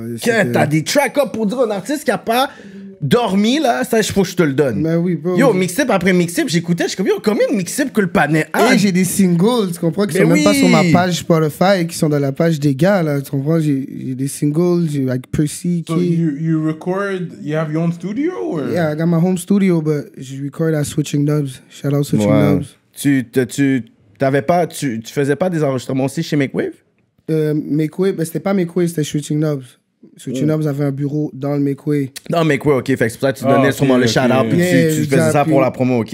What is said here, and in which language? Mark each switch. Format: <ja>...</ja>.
<fr>T'as des track-up pour dire un artiste qui a pas dormi, là. Ça, il faut que je te le donne. Mais oui, bro. Yo, mixtape après mixtape, j'écoutais, je suis comme, yo, combien de mixtapes que le panais a? Et j'ai des singles, tu comprends, qui sont même pas sur ma page Spotify, qui sont dans la page des gars, là. Tu comprends, j'ai des singles, j'ai, like, Percy, so qui...</fr> <en>You record, you have your own studio, or...? Yeah, I got my home studio, but je record at Switching Dubs. Shout out Switching Dubs.</en> <fr>Tu faisais pas des enregistrements aussi chez Makewave? Makeway, ben c'était pas Makeway, c'était Switching Knobs. Switching Knobs avait un bureau dans le Makeway. Dans Makeway, ok. Fait que c'est pour ça que tu donnais sûrement le shout-out, puis tu faisais ça pour la promo, ok.</fr>